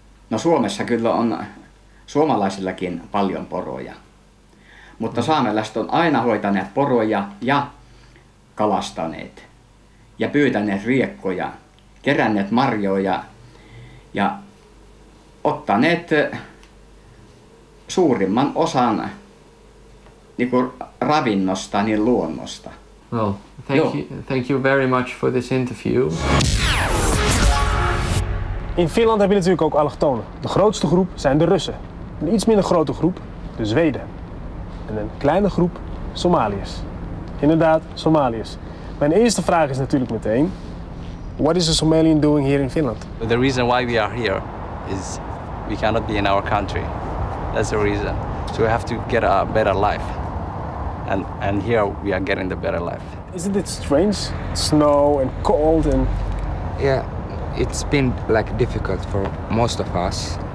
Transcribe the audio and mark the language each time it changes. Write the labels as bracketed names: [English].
[Finnish] No Suomessa kyllä on suomalaisillakin paljon poroja, mutta saamelaiset on aina hoitaneet poroja ja kalastaneet ja pyytäneet riekkoja, keränneet marjoja ja ottaneet suurimman osan niin kuin ravinnosta, niin luonnosta. [English] Well, thank you very much for this interview. [Dutch] In Finland heb je natuurlijk ook allochtonen. De grootste groep zijn de Russen. Een iets minder grote groep, de Zweden. En een kleine groep, Somaliërs. Inderdaad, Somaliërs. Mijn eerste vraag is natuurlijk meteen: [English] what is a Somalian doing here in Finland? The reason why we are here is we cannot be in our country. That's the reason. So we have to get a better life. And here we are getting the better life. Isn't it strange? Snow and cold and... Yeah, it's been like difficult for most of us.